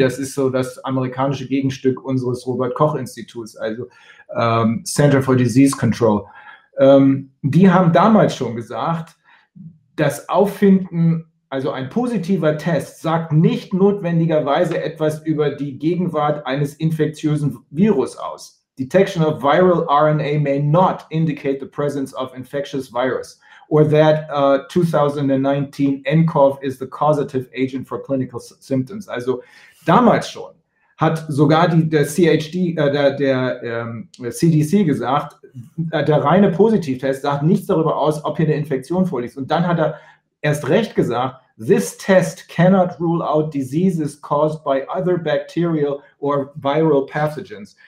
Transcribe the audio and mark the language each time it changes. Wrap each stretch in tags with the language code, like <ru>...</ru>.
<de>Das ist so das amerikanische Gegenstück unseres Robert-Koch-Instituts, also Center for Disease Control. Die haben damals schon gesagt, das Auffinden, also ein positiver Test, sagt nicht notwendigerweise etwas über die Gegenwart eines infektiösen Virus aus.</de> <en>Detection of viral RNA may not indicate the presence of infectious virus or that 2019 nCoV is the causative agent for clinical symptoms.</en> <de>Also damals schon hat sogar CDC gesagt, der reine Positivtest sagt nichts darüber aus, ob hier eine Infektion vorliegt. Und dann hat er erst recht gesagt,</de> <en>this test cannot rule out diseases caused by other bacterial or viral pathogens.</en>